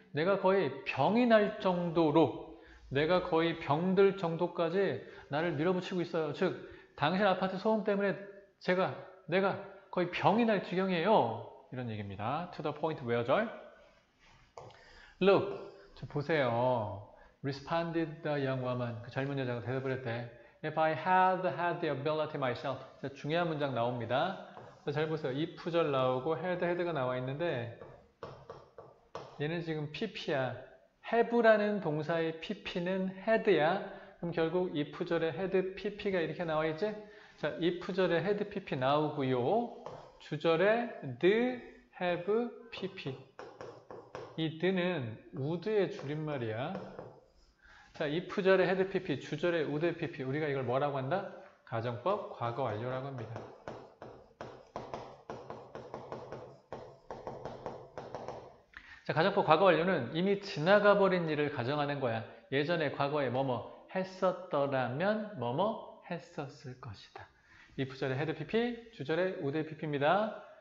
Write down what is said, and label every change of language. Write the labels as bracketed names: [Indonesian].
[Korean] 내가 거의 병이 날 정도로, 내가 거의 병들 정도까지 나를 밀어붙이고 있어요. 즉, 당신 아파트 소음 때문에 내가 거의 병이 날 지경이에요. 이런 얘기입니다. [English] To the point where, [Korean] 절. [English] Look, [Korean] 저 보세요. [English] Responded the young woman. [Korean] 그 젊은 여자가 대답을 했대. [English] If I had the ability myself. [Korean] 중요한 문장 나옵니다. 잘 보세요. if 절 나오고 had가 나와 있는데 얘는 지금 PP야. have라는 동사의 PP는 had야. 그럼 결국 if 절에 had PP가 이렇게 나와 있지? 자, if 절에 had PP 나오고요. 주절에 the have PP. 이 the는 would의 줄임말이야. 자, if 절에 had PP, 주절에 would PP. 우리가 이걸 뭐라고 한다? 가정법 과거 완료라고 합니다. 자, 가정법 과거 완료는 이미 지나가 버린 일을 가정하는 거야. 예전에 과거에 뭐뭐 했었더라면 뭐뭐 했었을 것이다. if 절에 had PP, 주절에 would PP입니다.